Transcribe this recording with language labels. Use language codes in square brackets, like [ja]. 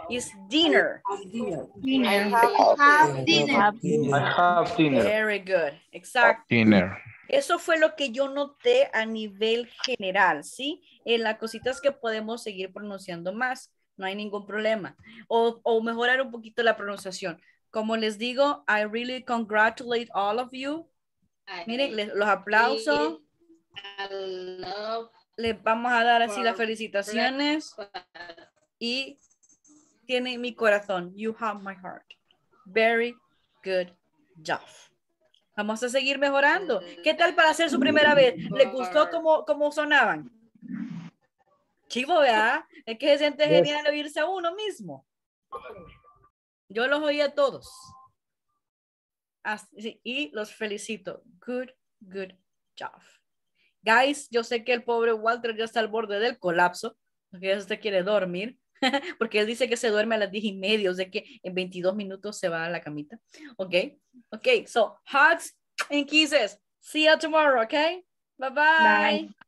[en] It's dinner. I have dinner. Very good. [es] Exacto. [en] Dinner. [es] Eso fue lo que yo noté a nivel general, ¿sí? En las cositas que podemos seguir pronunciando más. No hay ningún problema. O mejorar un poquito la pronunciación. Como les digo, [en] I really congratulate all of you. [es] Miren, los aplauso. Les vamos a dar así las felicitaciones y tienen mi corazón. [en] You have my heart. Very good job. [es] Vamos a seguir mejorando. ¿Qué tal para hacer su primera vez? ¿Le gustó cómo sonaban? Chivo, ¿verdad? Es que se siente genial oírse a uno mismo. Yo los oí a todos. Y los felicito. [en] Good job. Guys, [es] yo sé que el pobre Walter ya está al borde del colapso, porque ya se quiere dormir, porque él dice que se duerme a las 10:30, o sea que en 22 minutos se va a la camita. [en] Ok, so hugs and kisses. See you tomorrow, okay? Bye-bye.